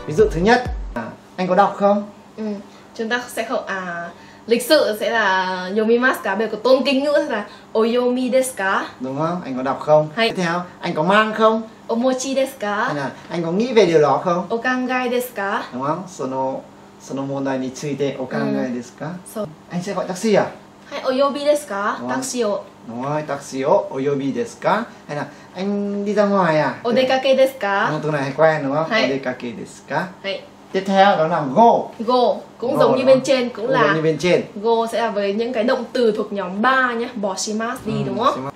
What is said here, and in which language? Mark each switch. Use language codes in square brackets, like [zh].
[vi] Ví dụ thứ nhất. Anh có đọc không? Chúng ta sẽ không... Lịch sự sẽ là 読みますか? Bây giờ tôn kính ngữ sẽ là お読みですか? Đúng không? Anh có đọc không? Hay. Tiếp theo. Anh có mang không? [ja] お持ちですか? [vi] Hay là anh có nghĩ về điều đó không? [ja] お考えですか? [vi] Đúng không? [ja] その問題についてお考えですか? そう。 [vi] Anh sẽ gọi taxi à? [ja] はい、お呼びですか?タクシーを。 [vi] Đúng rồi, [ja] taxi をお呼びですか? [vi] Hay là anh đi ra ngoài à? [ja] お出かけですか? [vi] Đúng không? Từ này hay quen đúng không? [ja] はい。お出かけですか? はい。 [vi] Tiếp theo đó là go. Go, cũng giống như bên trên, cũng là... Giống như bên trên. Go sẽ là với những cái động từ thuộc nhóm 3 nhé. Bỏ します đi đúng không?